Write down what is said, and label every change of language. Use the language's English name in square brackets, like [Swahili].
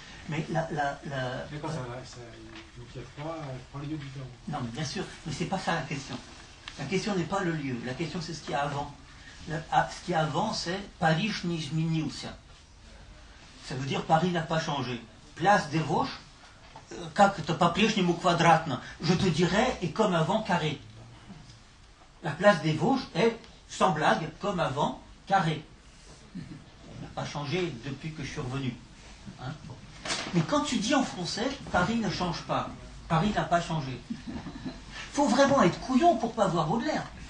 [French] Mais Non, mais bien sûr, mais c'est pas ça la question. La question n'est pas le lieu. La question, c'est ce qu'il y a avant. Ce qu'il y a avant, c'est Paris [Russian] n'izminился. [French] Ça veut dire Paris n'a pas changé. Place des Vosges. [Russian] Как это по-прежнему квадратно? [French] Je te dirais, et comme avant, carré. La place des Vosges est, sans blague, comme avant, carré. Elle n'a pas changé depuis que je suis revenu. Hein? Mais quand tu dis en français, Paris ne change pas. Paris n'a pas changé. Il faut vraiment être couillon pour ne pas voir Baudelaire.